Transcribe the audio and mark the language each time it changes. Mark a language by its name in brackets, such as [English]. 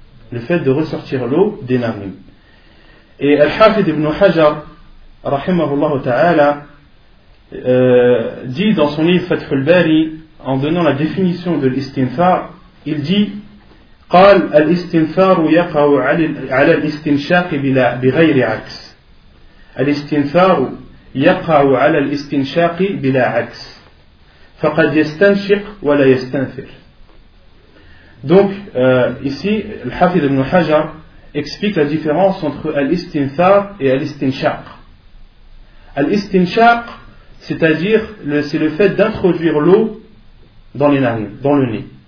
[French] Le fait de ressortir l'eau des narines. Et Al-Hafid ibn Hajar, rahimahullah ta'ala, dit dans son livre Fath al-Bari, en donnant la définition de l'istinthar, il dit [Arabic] قال الاستنثار يقع على الاستنشاق بغير عكس. الاستنثار يقع على الاستنشاق بلا عكس. فَقَدْ يَسْتَنْشِقْ وَلَا يَسْتَنْفِرْ. [French] Donc, ici, Al-Hafid ibn Hajar explique la différence entre Al-Istinthar et Al-Istinshaq. Al-Istinshaq, c'est-à-dire, c'est le fait d'introduire l'eau dans les narines, dans le nez.